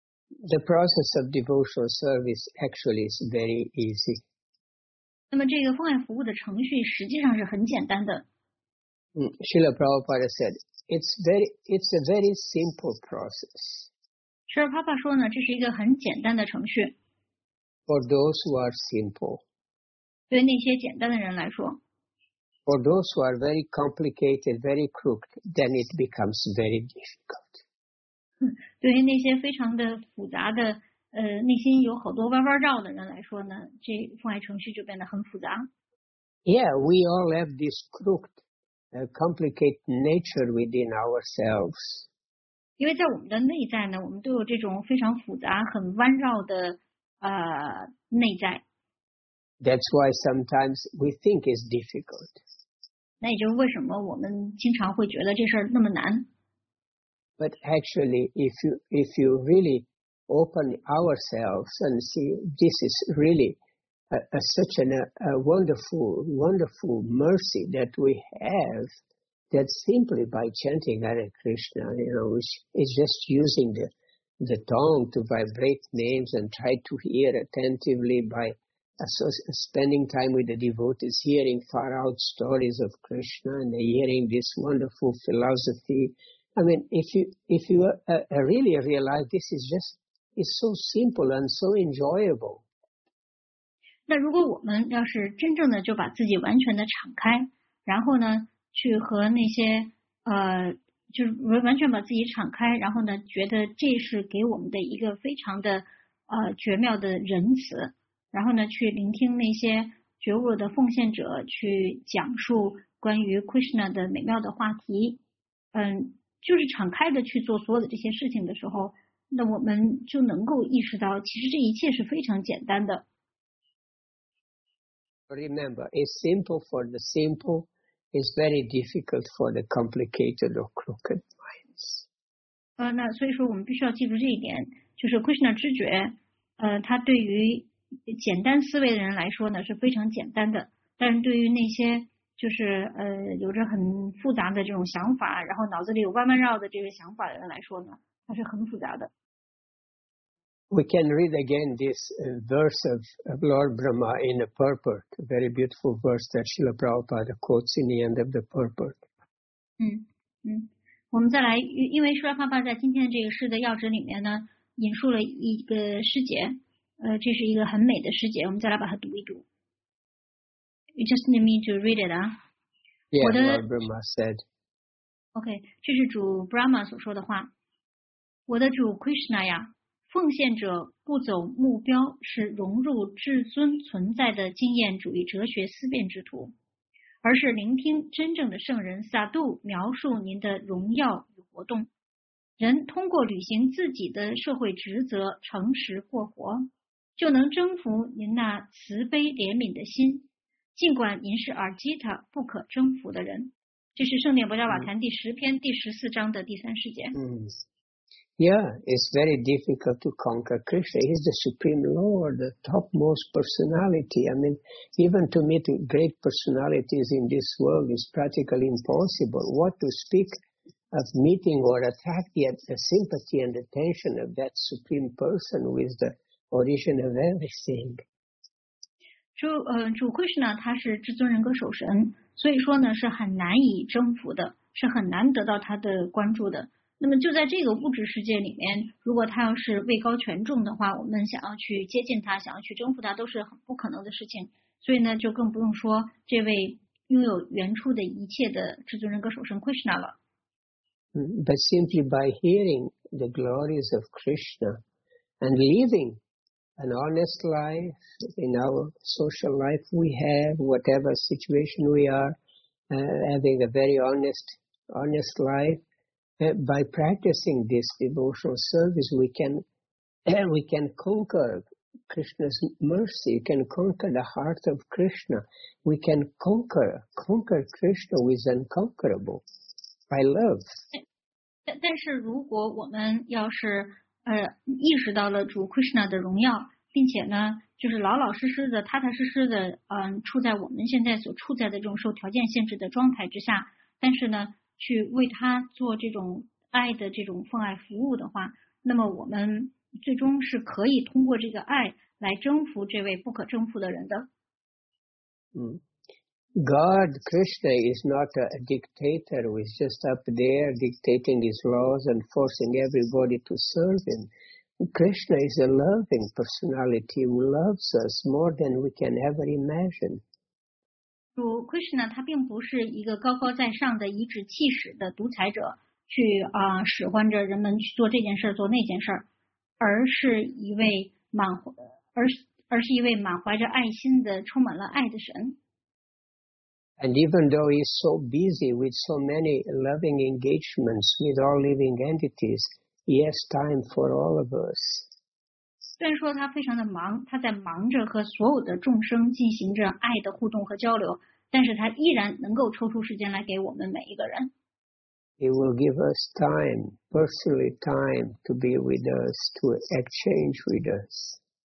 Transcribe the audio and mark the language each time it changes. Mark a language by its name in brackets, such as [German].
[English] The process of devotional service actually is very easy. [Chinese] 那么这个奉爱服务的程序实际上是很简单的。 [English] Srila Prabhupada said, it's a very simple process. [Chinese] 舍尔帕帕说呢，这是一个很简单的程序。 [English] For those who are simple. [Chinese] 对那些简单的人来说。 [English] For those who are very complicated, very crooked, then it becomes very difficult. [Chinese] 对于那些非常的复杂的，内心有好多弯弯绕的人来说呢，这奉爱程序就变得很复杂。 [English] Yeah, we all have this crooked, complicated nature within ourselves. [Chinese] 因为在我们的内在呢，我们都有这种非常复杂、很弯绕的，内在。 [English] That's why sometimes we think it's difficult. [Chinese] 那也就是为什么我们经常会觉得这事儿那么难。 [English] But actually, if you really open ourselves and see this is really such a wonderful mercy that we have, that simply by chanting Hare Krishna, you know, which is just using the tongue to vibrate names and try to hear attentively by spending time with the devotees, hearing far out stories of Krishna and hearing this wonderful philosophy. I mean, if you really realize this is just it's so simple and so enjoyable. [Chinese] 那如果我们要是真正的就把自己完全的敞开，然后呢，去和那些就是完全把自己敞开，然后呢，觉得这是给我们的一个非常的绝妙的仁慈，然后呢，去聆听那些觉悟的奉献者去讲述关于 Krishna 的美妙的话题，就是敞开的去做所有的这些事情的时候，那我们就能够意识到，其实这一切是非常简单的。 [English] Remember, it's simple for the simple, it's very difficult for the complicated or crooked minds. [Chinese] 那所以说我们必须要记住这一点，就是 Krishna 知觉，它对于简单思维的人来说呢是非常简单的，但是对于那些就是有着很复杂的这种想法，然后脑子里有弯弯绕的这个想法的人来说呢，它是很复杂的。 [English] We can read again this verse of Lord Brahma in the purport, a very beautiful verse that Srila Prabhupada quotes in the end of the purport. [Chinese] 我们再来，因为Srila Prabhupada在今天这个诗的要旨里面呢，引述了一个诗节，这是一个很美的诗节，我们再来把它读一读。 [English] You just need me to read it, huh? Yeah, Lord Brahma said. [Chinese] Okay, 这是主 Brahma 所说的话。我的主 Krishna 呀，奉献者不走目标，是融入至尊存在的经验主义哲学思辨之途，而是聆听真正的圣人萨杜描述您的荣耀与活动。人通过履行自己的社会职责，诚实过活，就能征服您那慈悲怜悯的心。尽管您是阿尔基塔不可征服的人，这是《圣典波迦瓦坛》第十篇第十四章的第三世界。 [English] Yeah, it's very difficult to conquer Krishna. He's the Supreme Lord, the topmost personality. I mean, even to meet great personalities in this world is practically impossible. What to speak of meeting or attract the sympathy and attention of that Supreme Person who is the origin of everything? [Chinese] 主 Krishna 他是至尊人格首神，所以说呢是很难以征服的，是很难得到他的关注的。那么就在这个物质世界里面，如果他要是位高权重的话，我们想要去接近他，想要去征服他，都是很不可能的事情。所以呢，就更不用说这位拥有原初的一切的至尊人格首神 Krishna 了。 [English] But simply by hearing the glories of Krishna and living an honest life in our social life we have, whatever situation we are, having a very honest life, by practicing this devotional service, we can conquer Krishna's mercy, we can conquer the heart of Krishna, we can conquer Krishna who is unconquerable by love. [Chinese] 但是如果我们要是意识到了主 Krishna 的荣耀，并且呢就是老老实实的踏踏实实的处在我们现在所处在的这种受条件限制的状态之下，但是呢去为他做这种爱的这种奉爱服务的话，那么我们最终是可以通过这个爱来征服这位不可征服的人的。 [English] God Krishna is not a dictator who is just up there dictating his laws and forcing everybody to serve him. Krishna is a loving personality who loves us more than we can ever imagine. [Chinese] 主 Krishna 他并不是一个高高在上的颐指气使的独裁者，去使唤着人们去做这件事做那件事，而是一位满怀着爱心的充满了爱的神。 [English] And even though he's so busy with so many loving engagements with all living entities, he has time for all of us. [Chinese] 虽然说他非常的忙，他在忙着和所有的众生进行着爱的互动和交流。但是他依然能够抽出时间来给我们每一个人。 [English] He will give us time, personally time, to be with us, to exchange with us.